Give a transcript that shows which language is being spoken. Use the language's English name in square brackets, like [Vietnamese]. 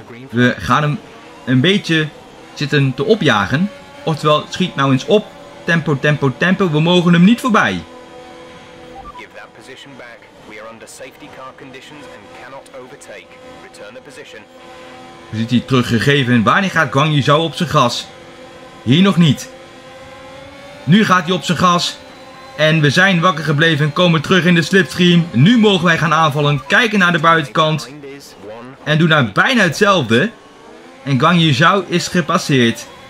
[Dutch] We gaan hem een beetje zitten te opjagen. Oftewel, schiet nou eens op. tempo, tempo, tempo. We mogen hem niet voorbij. [English] Give that position back. We are under safety car conditions and cannot overtake. Return the position. [Dutch] Ziet hij teruggegeven. Wanneer gaat Guan Yu Zhao op zijn gas? Hier nog niet. Nu gaat hij op zijn gas. En we zijn wakker gebleven. Komen terug in de slipstream. Nu mogen wij gaan aanvallen. Kijken naar de buitenkant. En doen daar bijna hetzelfde. En Guan Yu Zhao is gepasseerd.